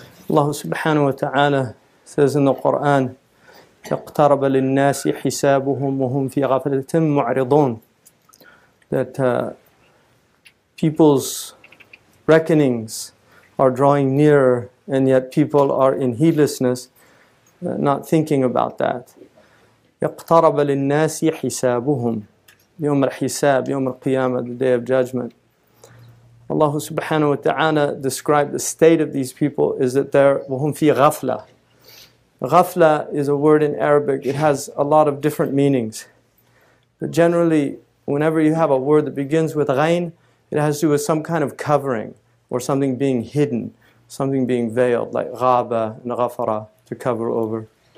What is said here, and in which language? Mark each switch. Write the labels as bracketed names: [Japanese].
[English] Allah subhanahu wa ta'ala says in the Quran, [Arabic] اقترب للناس حسابهم وهم في غفلة معرضون. [English] That people's reckonings are drawing nearer and yet people are in heedlessness, not thinking about that. [Arabic] اقترب للناس حسابهم يوم الحساب, يوم القيامة, [English] the day of judgment. Allah subhanahu wa ta'ala described the state of these people is that they're [Arabic] وَهُمْ فِي غَفْلَة. [English] Ghafla is a word in Arabic. It has a lot of different meanings. But generally, whenever you have a word that begins with غَيْن, it has to do with some kind of covering or something being hidden, something being veiled, like غَابَ and غَفَرَ, to cover over.